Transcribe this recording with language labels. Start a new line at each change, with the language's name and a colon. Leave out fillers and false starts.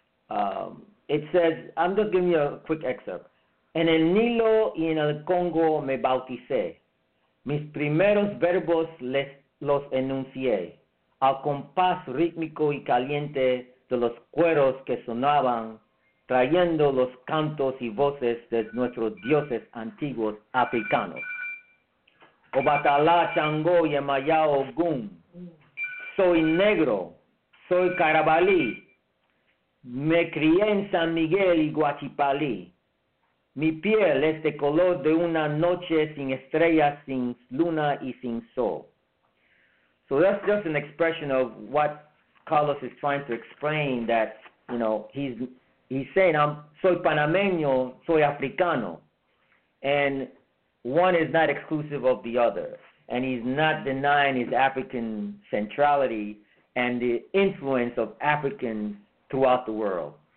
English: It says, I'm just giving you a quick excerpt.
Spanish: En el Nilo y en el Congo me bauticé. Mis primeros verbos les, los enuncié. Al compás rítmico y caliente de los cueros que sonaban, trayendo los cantos y voces de nuestros dioses antiguos africanos. Obatala, Chango, Yemayao, Gun. Soy negro, soy carabalí. Me crié en San Miguel y Guachipalí. Mi piel es de color de una noche sin estrellas, sin luna y sin sol.
English: So that's just an expression of what Carlos is trying to explain, that, you know, he's saying, I'm
Spanish: soy panameño, soy africano.
English: And one is not exclusive of the other. And he's not denying his African centrality and the influence of Africans throughout the world.